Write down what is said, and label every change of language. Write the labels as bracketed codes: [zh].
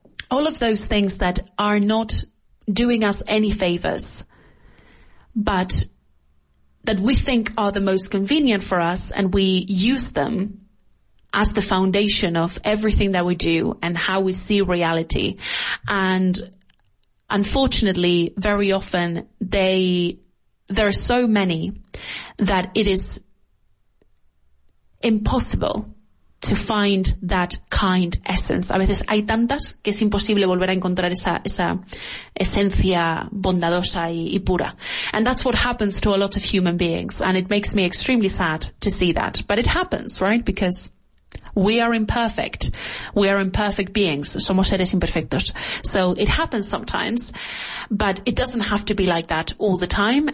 [en] All of those things that are not doing us any favors, but that we think are the most convenient for us, and we use them as the foundation of everything that we do and how we see reality. And unfortunately, very often there are so many that it is impossible to find that kind essence. [es] A veces hay tantas que es imposible volver a encontrar esa esencia bondadosa y pura. [en] And that's what happens to a lot of human beings. And it makes me extremely sad to see that. But it happens, right? Because we are imperfect. We are imperfect beings. [es] Somos seres imperfectos. [en] So it happens sometimes, but it doesn't have to be like that all the time.